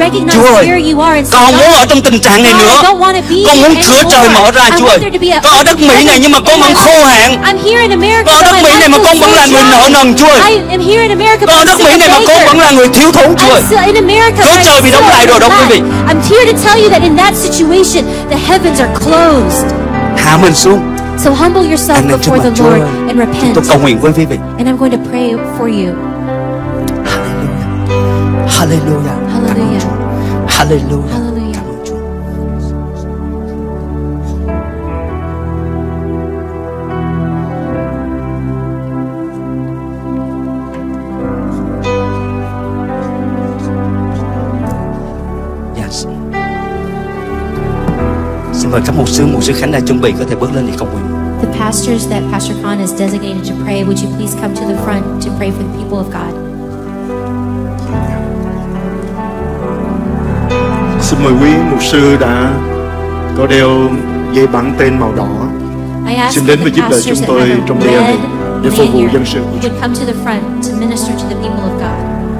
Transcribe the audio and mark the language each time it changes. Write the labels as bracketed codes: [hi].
[vi] Chúa ơi, con muốn ở trong tình trạng này nữa. Con muốn cửa trời mở ra, Chúa ơi. Con ở đất Mỹ này nhưng mà con vẫn khô hạn. Con ở đất Mỹ này mà con vẫn là người nợ nần, Chúa ơi. Con ở đất Mỹ này mà con vẫn là người thiếu thốn, Chúa ơi. Cửa trời bị đóng lại rồi đó quý vị. [en] I'm here to tell you that in that situation the heavens are closed. [vi] Hạ mình xuống. [en] So humble yourself [vi] anh [en] before the [vi] Chúa [en] Lord [vi] ơi, [en] and repent. [vi] Tôi cầu nguyện với quý vị. [en] And I'm going to pray for you. Hallelujah. Hallelujah. Hallelujah. Hallelujah. [vi] Cảm ơn Chúa. [en] Yes. [vi] Xin mời các mục sư Khánh đã chuẩn bị có thể bước lên để cầu nguyện. [en] The pastors that Pastor Khan has designated to pray, would you please come to the front to pray for the people of God? [vi] Xin mời quý mục sư đã có đeo dây bảng tên màu đỏ. Xin đến và giúp đỡ chúng tôi trong đêm này để phục vụ dân sự. [en] Would come to the front to minister to the people of God.